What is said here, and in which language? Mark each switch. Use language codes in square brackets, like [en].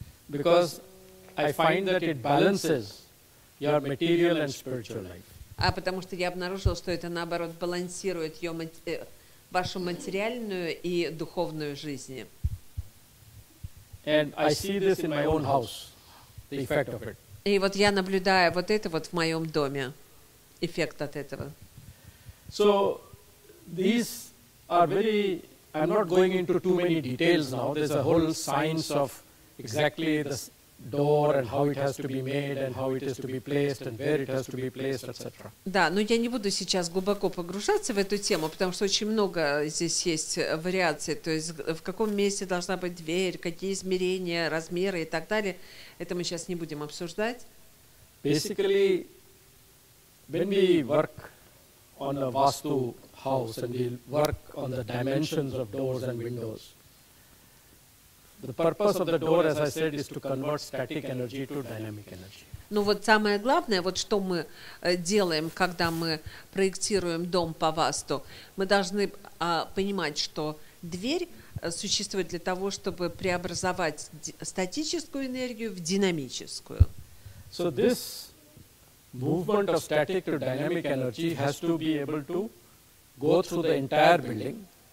[en] Because I find that it balances your material and spiritual life. [ru] А потому что я обнаружил, что это наоборот балансирует вашу материальную и духовную жизнь. [en] And I see this in my own house, the effect of it. [ru] И вот я наблюдаю вот это вот в моем доме, эффект от этого. [en] So these are very, I'm not going into too many details now. There's a whole science of exactly the door and how it has to be made and how it is to be placed and where it has to be placed, etc. [ru] Да, но я не буду сейчас глубоко погружаться в эту тему, потому что очень много здесь есть вариаций. То есть в каком месте должна быть дверь, какие измерения, размеры и так далее. Это мы сейчас не будем обсуждать. [en] Basically, when we work on a vastu house and we work on the dimensions of doors and windows. The purpose of the door, as I said, is to convert static energy to dynamic energy. [ru] Ну вот самое главное, вот что мы делаем, когда мы проектируем дом по васту, мы должны понимать, что дверь существует для того, чтобы преобразовать статическую энергию в динамическую. [en] So this movement of static to dynamic energy has to be able to go through the entire building.